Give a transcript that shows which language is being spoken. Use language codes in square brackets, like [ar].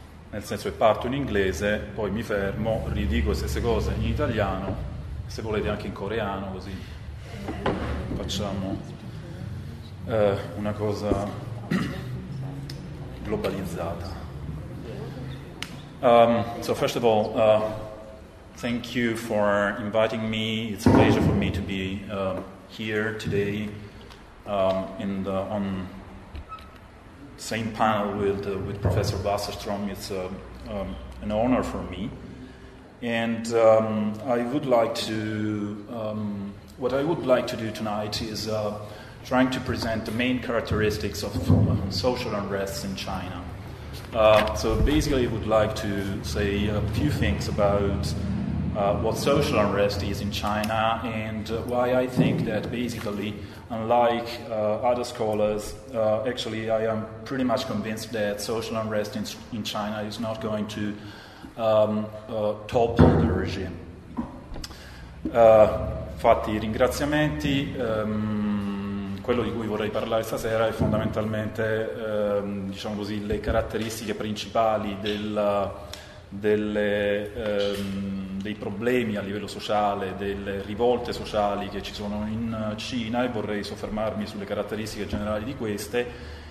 [it] Nel senso che parto in inglese, poi mi fermo, ridico le stesse cose in italiano, se volete anche in coreano, così facciamo una cosa globalizzata. [en] So first of all, thank you for inviting me. It's a pleasure for me to be here today in the on same panel with Professor Wasserstrom. It's an honor for me. And I would like to what I would like to do tonight is trying to present the main characteristics of social unrest in China. So basically, I would like to say a few things about what social unrest is in China and why I think that basically, unlike other scholars, actually I am pretty much convinced that social unrest in China is not going to topple the regime. [it] Fatti i ringraziamenti. Quello di cui vorrei parlare stasera è fondamentalmente, diciamo così, le caratteristiche principali dei problemi a livello sociale, delle rivolte sociali che ci sono in Cina, e vorrei soffermarmi sulle caratteristiche generali di queste.